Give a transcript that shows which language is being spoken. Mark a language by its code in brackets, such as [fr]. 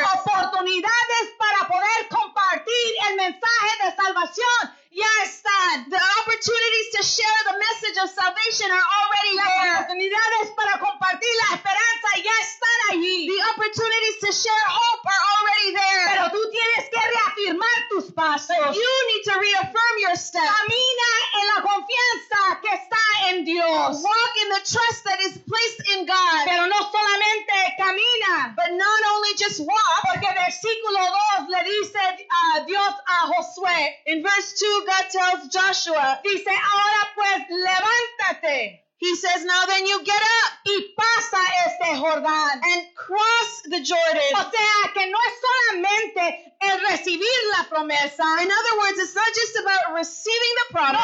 [es] Las oportunidades para poder compartir el mensaje de salvación ya están. [en] The opportunities to share the message of salvation are already [es] las [en] there. [es] Las oportunidades para compartir la esperanza ya están allí. [en] The opportunities to share hope are already there. [es] Pero tú tienes que reafirmar tus pasos. [en] You need to reaffirm your steps. [es] Camina en la confianza que está en Dios. [en] Walk in the trust that is placed in God. [es] Pero no solamente camina. [en] But not only just walk. [es] Porque versículo 2 le dice a Dios a Josué. [en] In verse 2, God tells Joshua, [es] dice, ahora pues, levántate. [en] He says, now then you get up [es] y pasa este Jordán. [en] And cross the Jordan. [es] O sea, que no es solamente el recibir la promesa. [en] In other words, it's not just about receiving the promise.